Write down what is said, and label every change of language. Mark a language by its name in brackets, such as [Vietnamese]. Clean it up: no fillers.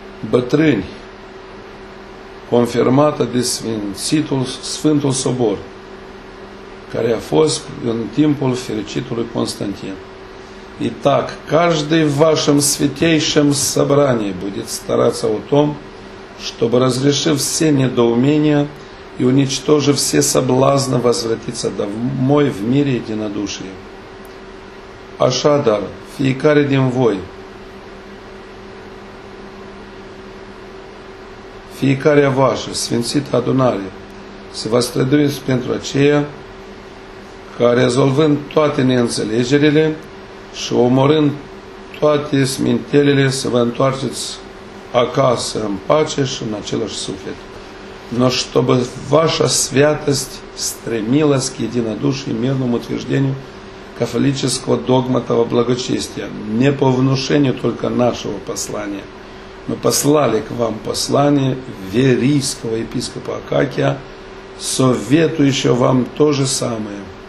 [Romanian] bătrâni confirmată de Sfântul Sobor, care a fost în timpul fericitului Constantin. [Russian] И так, каждый в вашем святейшем собрании будет стараться о том, чтобы, разрешив все недоумения и уничтожив все соблазны, возвратиться домой в мире единодушия. [Romanian] Ашадар, фиекаре дим вой, fiecarea voastră, sfințită adunare, se va străduiți pentru aceea ca rezolvând toate neînțelegerile și omorând toate smintelile, să vă întoarceți acasă în pace și în același suflet. [Russian] Но чтобы ваша святость стремилась к единодушию и мирному утверждению католического догмата во благочестие, не по внушению только нашего послания. Мы послали к вам послание верийского епископа Акакия, советующего вам то же самое.